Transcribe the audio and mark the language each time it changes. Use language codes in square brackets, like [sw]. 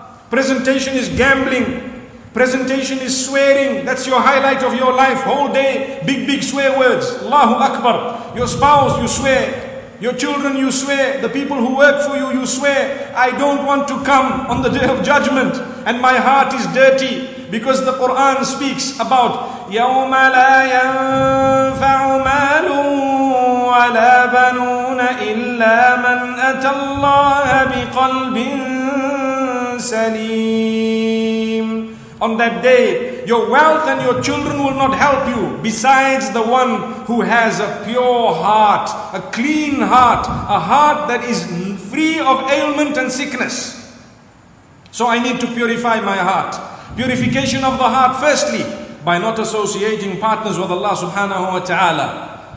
[en] Presentation is gambling. Presentation is swearing. That's your highlight of your life. Whole day, big, big swear words. Allahu Akbar. Your spouse, you swear. Your children, you swear. The people who work for you, you swear. I don't want to come on the day of judgment. And my heart is dirty. Because the Quran speaks about [ar] يَوْمَ لَا يَنْفَعُ مَالٌ وَلَا بَنُونَ إِلَّا مَنْ أَتَى اللَّهَ بِقَلْبٍ سَلِيمٍ. [en] On that day, your wealth and your children will not help you besides the one who has a pure heart, a clean heart, a heart that is free of ailment and sickness. So I need to purify my heart. Purification of the heart, firstly, by not associating partners with Allah subhanahu wa ta'ala.